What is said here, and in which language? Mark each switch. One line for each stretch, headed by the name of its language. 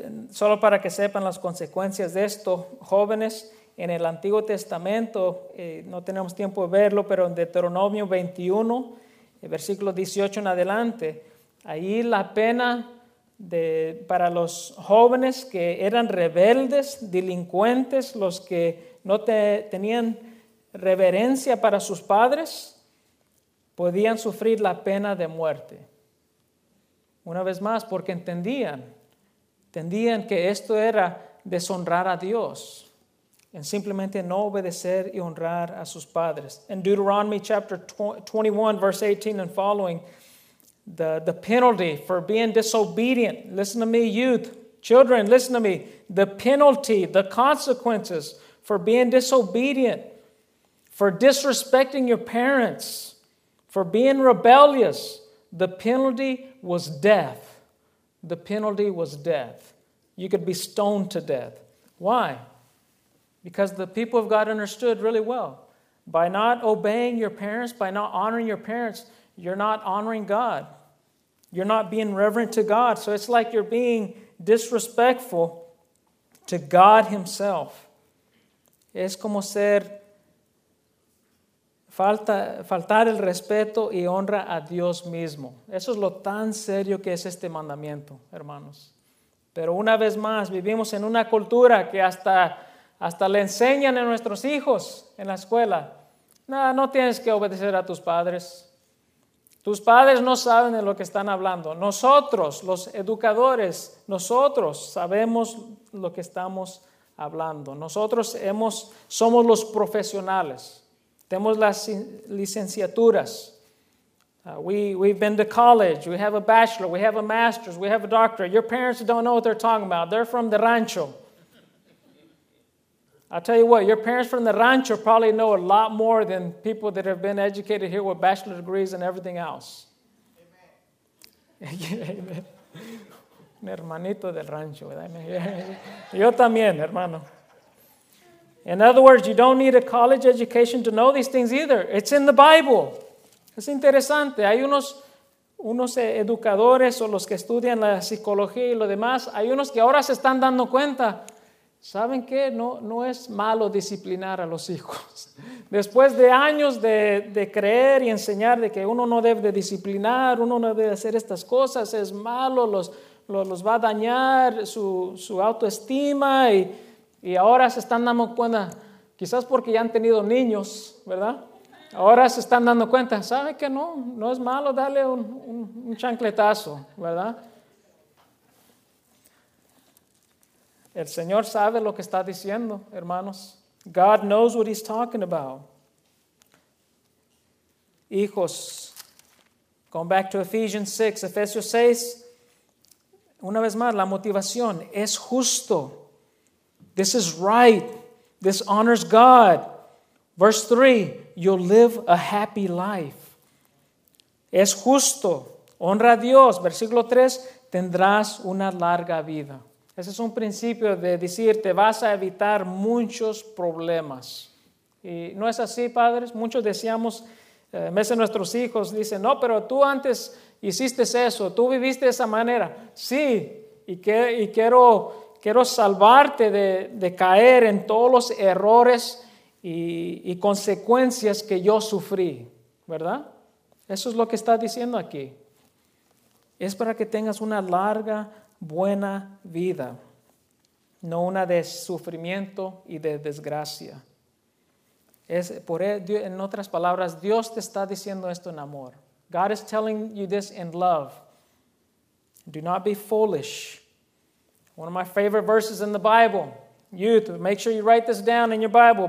Spanish: Solo para que sepan las consecuencias de esto, jóvenes, en el Antiguo Testamento, no tenemos tiempo de verlo, pero en Deuteronomio 21, versículo 18 en adelante, ahí la pena para los jóvenes que eran rebeldes, delincuentes, los que no tenían reverencia para sus padres, podían sufrir la pena de muerte. Una vez más, porque entendían que esto era deshonrar a Dios, en simplemente no obedecer y honrar a sus padres.
English: En Deuteronomy chapter 21, verse 18 and following, the penalty for being disobedient. Listen to me, youth. Children, listen to me. The penalty, the consequences for being disobedient, for disrespecting your parents, for being rebellious, the penalty was death. The penalty was death. You could be stoned to death. Why? Because the people of God understood really well. By not obeying your parents, by not honoring your parents, you're not honoring God. You're not being reverent to God. So it's like you're being disrespectful to God Himself.
Spanish: Es como ser faltar el respeto y honra a Dios mismo. Eso es lo tan serio que es este mandamiento, hermanos. Pero una vez más, vivimos en una cultura que hasta le enseñan a nuestros hijos en la escuela. Nada, no tienes que obedecer a tus padres. Tus padres no saben de lo que están hablando. Nosotros, los educadores, nosotros sabemos lo que estamos hablando. Nosotros somos los profesionales. Tenemos las licenciaturas.
English: We've been to college. We have a bachelor. We have a master's. We have a doctorate. Your parents don't know what they're talking about. They're from the rancho. I'll tell you what, your parents from the rancho probably know a lot more than people that have been educated here with bachelor degrees and everything else.
Spanish: Amen. Un hermanito del rancho. Yo también, hermano.
English: In other words, you don't need a college education to know these things either. It's in the Bible.
Spanish: Es interesante. Hay unos educadores o los que estudian la psicología y lo demás. Hay unos que ahora se están dando cuenta. ¿Saben qué? No es malo disciplinar a los hijos. Después de años de creer y enseñar de que uno no debe de disciplinar, uno no debe hacer estas cosas, es malo, los va a dañar su autoestima y ahora se están dando cuenta, quizás porque ya han tenido niños, ¿verdad? Ahora se están dando cuenta, ¿sabe que no es malo darle un chancletazo, ¿verdad? El Señor sabe lo que está diciendo, hermanos.
English: God knows what he's talking about.
Spanish: Hijos,
English: going back to Ephesians 6,
Spanish: Efesios 6, una vez más, la motivación es justo.
English: This is right. This honors God. Verse 3, you'll live a happy life.
Spanish: Es justo. Honra a Dios. Versículo 3, tendrás una larga vida. Ese es un principio de decir, te vas a evitar muchos problemas. Y no es así, padres. Muchos decíamos, a veces nuestros hijos dicen, no, pero tú antes hiciste eso, tú viviste de esa manera. Sí, y quiero salvarte de caer en todos los errores y consecuencias que yo sufrí, ¿verdad? Eso es lo que está diciendo aquí. Es para que tengas una larga, buena vida, no una de sufrimiento y de desgracia. En otras palabras, Dios te está diciendo esto en amor.
English: God is telling you this in love. Do not be foolish. One of my favorite verses in the Bible. Youth, make sure you write this down in your Bible.